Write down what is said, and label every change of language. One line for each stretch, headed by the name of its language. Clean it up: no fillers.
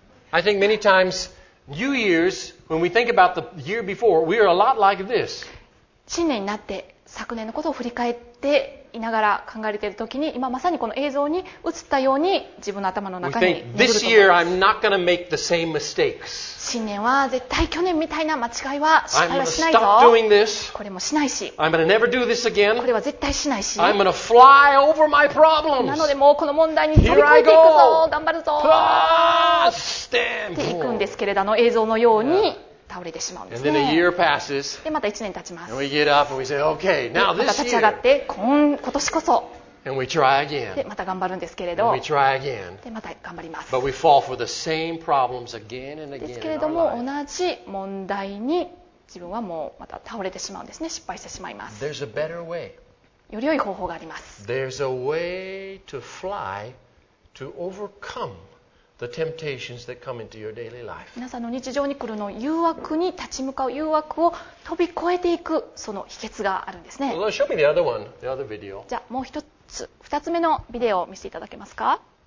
English: I think many times, New Year's, when we think about the year before, we are a lot like this.
Japanese: 新年になって、昨年のことを振り返っていながら考えているときに、今まさにこの映像に映ったように自分の頭の中に
English: This year I'm not going to make the same mistakes.
Japanese: 新年は絶対去年みたいな間違いはしないぞ。
English: I'm going to stop doing this.
Japanese: これもしないし。
English: I'm going to never do this again.
Japanese: これは絶対しないし。
English: I'm going to fly over my problems.
Japanese: なのでもうこの問題に飛び越えていくぞ。頑張るぞ。
English: Here I go. Stand.
Japanese: いくんですけれども映像のように。
English: Yeah.
Japanese: 倒れてしまうんですね。
English: And then a year passes,
Japanese: でまた1年経ちます。
English: And we get up and we say, okay, now this year.
Japanese: また立ち上がって今年こそ。
English: And we try again.
Japanese: でまた頑張るんですけれど。
English: And we try again.
Japanese: でまた頑張ります。
English: But we fall for the same problems again and again.
Japanese: ですけれども同じ問題に自分はもうまた倒れてしまうんですね。失敗してしまいます。
English: There's a better way.
Japanese: より良い方法があります。
English: There's a way to fly to overcome. The temptations that come into your daily life.
Japanese: 皆さんの日常に来るの誘惑に立ち向かう誘惑を飛び越えていくその秘訣があるんですね。
English: Well, show me the other one, the other video.
Japanese: じゃあもう一つ、二つ目のビデオを見せていただけますか。